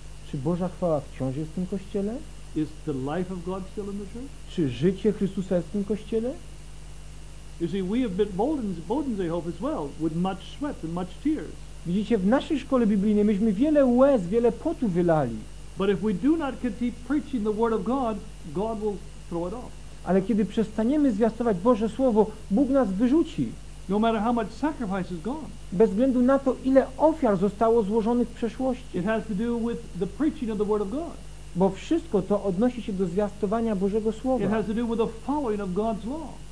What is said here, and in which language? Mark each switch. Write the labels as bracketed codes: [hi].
[pl] Czy Boża chwała wciąż jest w tym kościele? [en] Is the life of God still in the church? [pl] Czy życie Chrystusa jest w tym kościele? [en] You see, we have been Bodensehof as well, with much sweat and much tears. [pl] Widzicie, w naszej szkole biblijnej myśmy wiele łez, wiele potu wylali. [en] But if we do not keep preaching the word of God, God will throw it off. [pl] Ale kiedy przestaniemy zwiastować Boże słowo, Bóg nas wyrzuci. [en] No matter how much sacrifice is gone. [pl] Bez względu na to, ile ofiar zostało złożonych w przeszłości. [en] It has to do with the preaching of the word of God. [pl] Bo wszystko to odnosi się do zwiastowania Bożego słowa. [en] It has to do with the following of God's law.